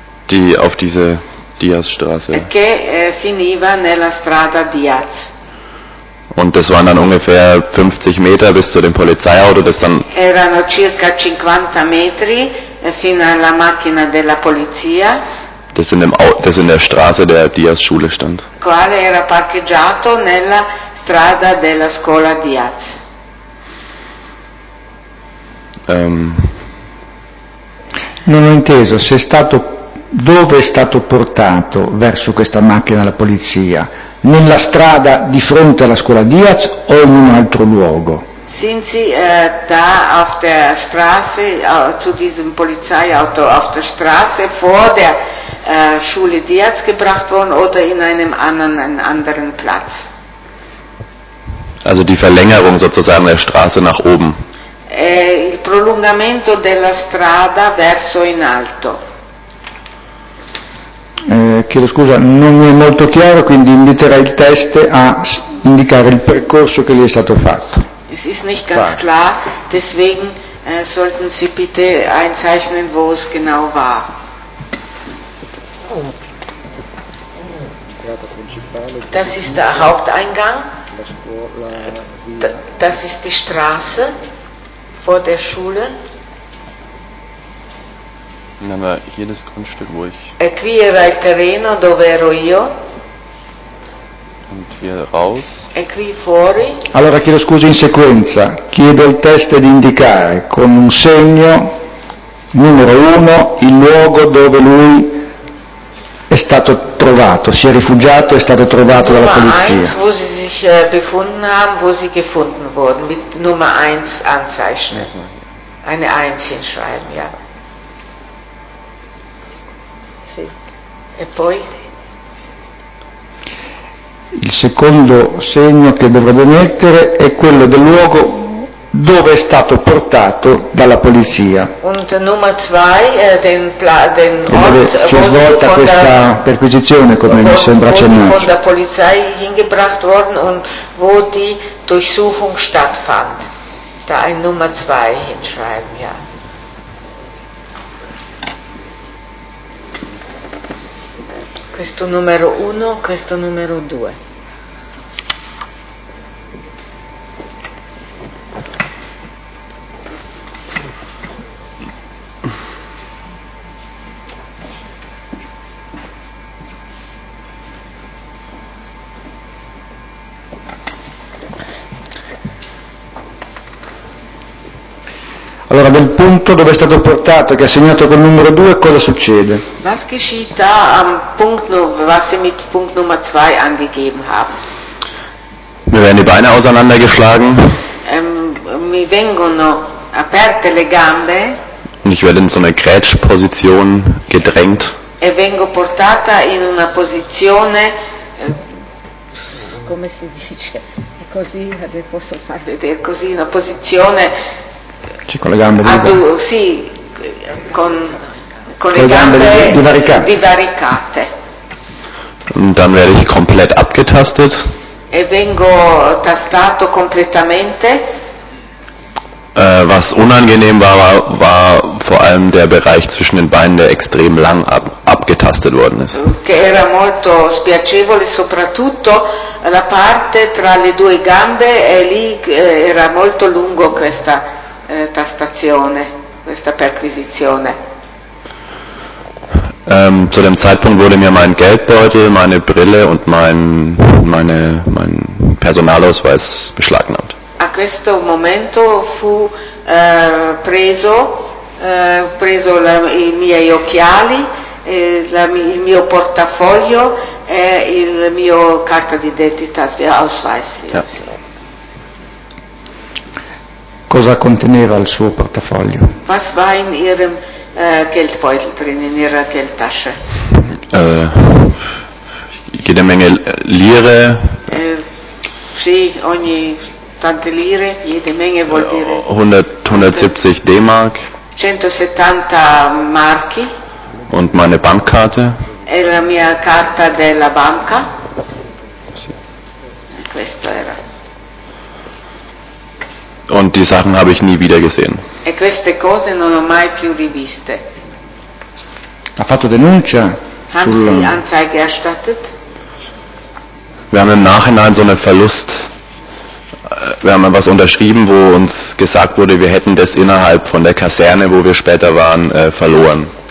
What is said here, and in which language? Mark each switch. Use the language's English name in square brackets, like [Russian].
[German] Die auf diese Diazstraße. [Italian] Che finiva nella strada Diaz. [German] Und das waren dann ungefähr 50 Meter bis zu dem Polizeiauto, das dann. [Italian] Erano circa 50 metri fino alla macchina della polizia. [German] Das in der Straße der Diaz-Schule stand. [Italian] Quale era parcheggiato nella strada della scuola Diaz. Non ho inteso. Se è stato dove è stato portato verso questa macchina la polizia? Nella strada di fronte alla scuola Diaz o in un altro luogo? [German] Sind sie da auf der Straße zu diesem Polizeiauto auf der Straße vor der Schule Diaz gebracht worden oder in einem anderen Platz? Also die Verlängerung sozusagen der Straße nach oben. [Italian] Il prolungamento della strada verso in alto. Chiedo scusa, non mi è molto chiaro, quindi inviterai il test a indicare il percorso che gli è stato fatto. [German] Es ist nicht ganz klar, deswegen sollten Sie bitte einzeichnen, wo es genau war. Das ist der Haupteingang. Das ist die Straße vor der Schule. Dann haben wir hier das Grundstück, wo ich. [Italian] E qui era il terreno dove ero io. [German] Und hier raus. [Italian] E qui fuori. Allora chiedo scusa in sequenza. Chiedo al test di indicare con un segno numero uno il luogo dove lui è stato trovato, si è rifugiato, è stato trovato dalla polizia. [German] Numero 1, wo sie sich befunden haben, wo sie gefunden wurden, mit Nummer 1 anzeichnen. Eine 1 hinschreiben, ja. [Italian] E poi? Il secondo segno che dovrebbe mettere è quello del luogo dove è stato portato dalla polizia. [German] Und Nummer 2, den [Italian] Ort, dove si è svolta questa perquisizione, come mi sembra accennato. [German] Von der Polizei hingebracht worden und wo die Durchsuchung stattfand. Da ein Nummer 2 hinschreiben, ja. Yeah. [Italian] questo numero uno, questo numero due. Allora, nel punto dove è stato portato, che ha segnato col numero 2, cosa succede? [German] Was geschieht da am Punkt, was sie mit Punkt Nummer 2 angegeben haben? Mir werden die Beine auseinandergeschlagen. [Italian] Mi vengono aperte le gambe. [German] Und ich werde in so eine Grätschposition gedrängt. [Italian] E vengo portata in una posizione, come si dice, così, posso far vedere così, una posizione... Con le gambe divaricate. [German] Und dann werde ich komplett abgetastet. [Italian] E vengo tastato completamente. [German] Was unangenehm war, war vor allem der Bereich zwischen den Beinen, der extrem lang abgetastet worden ist. [Italian] Che era molto spiacevole, soprattutto la parte tra le due gambe, e lì era molto lungo questa Tastazione, questa Perquisizione. [German] Zu dem Zeitpunkt wurde mir mein Geldbeutel, meine Brille und mein Personalausweis beschlagnahmt. [Italian] A questo momento fu preso i miei occhiali, il mio portafoglio e il mio carta di identità, Ausweis. [German] Ja. [Italian] Cosa conteneva il suo portafoglio? [German] Was war in ihrem Geldbeutel drin, in ihrer Geldtasche? Jede Menge Lire. [Italian] Sì, ogni tante lire, [German] jede Menge [Italian] vuol dire. [German] 170 D-Mark. [Italian] 170 Marchi. [German] Und meine Bankkarte. [Italian] E la mia carta della banca. Questo era. [German] Und die Sachen habe ich nie wieder gesehen. [Italian] E queste cose non ho mai più riviste. Ha fatto denuncia? [German] Haben Sie Anzeige erstattet? Wir haben im Nachhinein so einen Verlust. Wir haben etwas unterschrieben, wo uns gesagt wurde, wir hätten das innerhalb von der Kaserne, wo wir später waren, verloren.